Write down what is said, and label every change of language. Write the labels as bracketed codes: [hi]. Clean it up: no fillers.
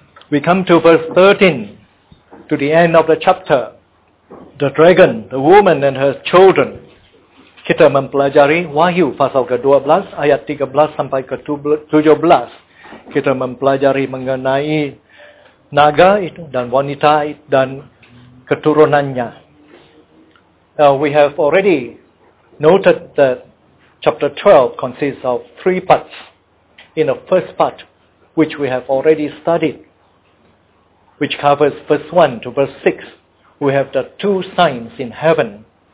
[en] We come to verse 13, to the end of the chapter. The dragon, the woman and her children. [id] Kita mempelajari Wahyu pasal ke-12 ayat 13 sampai ke-17. Kita mempelajari mengenai naga itu dan wanita dan keturunannya. [en] Now we have already noted that chapter 12 consists of three parts. In the first part, which we have already studied, which covers verse 1 to verse 6, we have the two signs in heaven.